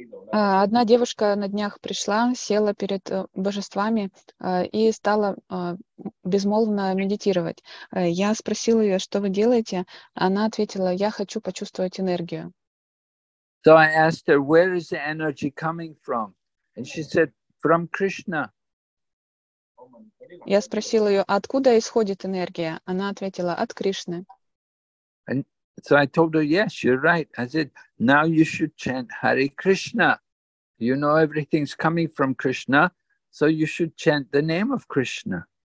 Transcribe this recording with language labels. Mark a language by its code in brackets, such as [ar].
[ru] Одна девушка на днях пришла, села перед божествами и стала безмолвно медитировать. Я спросила ее, что вы делаете? Она ответила, я хочу почувствовать энергию. [en] So I asked her, where is the energy coming from? And she said, from Krishna. [ru] Я спросила ее, откуда исходит энергия? Она ответила, от Кришны. [en] And so I told her, yes, you're right. I said, now you should chant Hare Krishna. You know everything's coming from Krishna, so you should chant the name of Krishna.